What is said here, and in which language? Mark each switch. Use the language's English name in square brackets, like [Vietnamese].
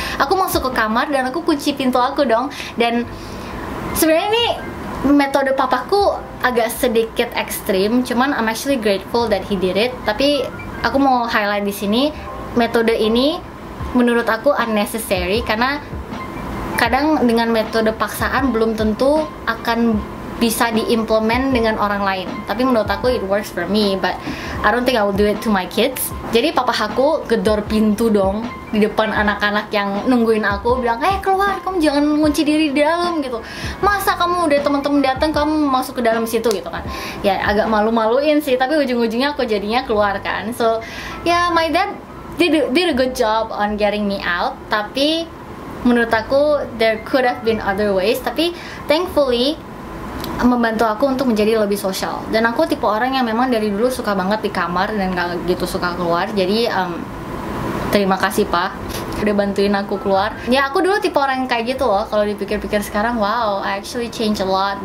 [Indonesian] Aku masuk ke kamar dan aku kunci pintu aku dong. Dan sebenarnya ini metode papaku agak sedikit ekstrim, cuman [English] I'm actually grateful that he did it. [Indonesian] Tapi aku mau highlight di sini, metode ini menurut aku unnecessary karena kadang dengan metode paksaan belum tentu akan bisa diimplement dengan orang lain. Tapi menurut aku [English] it works for me, but I don't think I will do it to my kids. [Indonesian] Jadi papa aku gedor pintu dong di depan anak-anak yang nungguin aku, bilang, eh keluar, kamu jangan ngunci diri di dalam gitu. Masa kamu udah teman-teman datang, kamu masuk ke dalam situ gitu kan. Ya agak malu-maluin sih, tapi ujung-ujungnya aku jadinya keluar kan. [English] So ya yeah, my dad did a good job on getting me out, [Indonesian] tapi menurut aku [English] there could have been other ways. [Indonesian] Tapi thankfully membantu aku untuk menjadi lebih sosial. Dan aku tipe orang yang memang dari dulu suka banget di kamar dan gak gitu suka keluar. Jadi terima kasih pak. udah bantuin aku keluar. Ya aku dulu tipe orang kayak gitu loh. Kalau dipikir-pikir sekarang, wow, [English] I actually change a lot.